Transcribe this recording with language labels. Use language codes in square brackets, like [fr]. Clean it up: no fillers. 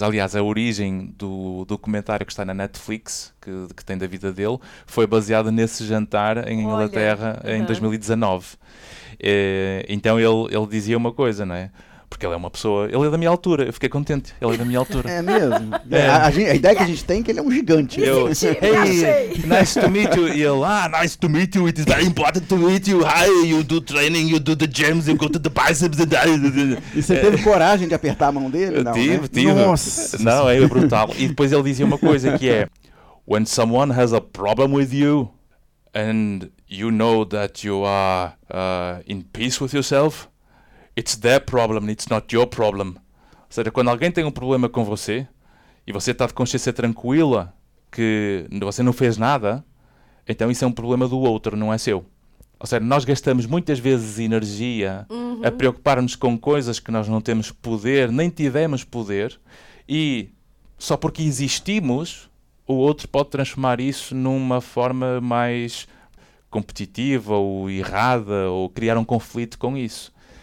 [pt] Aliás, a origem do documentário que está na Netflix, que tem da vida dele, foi baseada nesse jantar em Inglaterra em 2019. Então ele dizia uma coisa, não é? Porque ele é uma pessoa, ele é da minha altura, eu fiquei contente, ele é da minha altura. É mesmo? É. A ideia que a gente tem é que ele é um gigante. Eu, [en] hey, nice to meet you. [pt] E ele, ah, [en] nice to meet you, it is very important to meet you. Hi, you do training, you do the gyms, you go to the biceps. [pt] E você teve coragem de apertar a mão dele? Eu tive. Nossa. Não, é brutal. E depois ele dizia uma coisa que é, [en] when someone has a problem with you, and you know that you are in peace with yourself, it's their problem, it's not your problem. [pt] Ou seja, quando alguém tem um problema com você e você está de consciência tranquila que você não fez nada, então isso é um problema do outro, não é seu. Ou seja, nós gastamos muitas vezes energia a preocupar-nos com coisas que nós não temos poder, nem tivemos poder, e só porque existimos, o outro pode transformar isso numa forma mais competitiva ou errada ou criar um conflito com isso.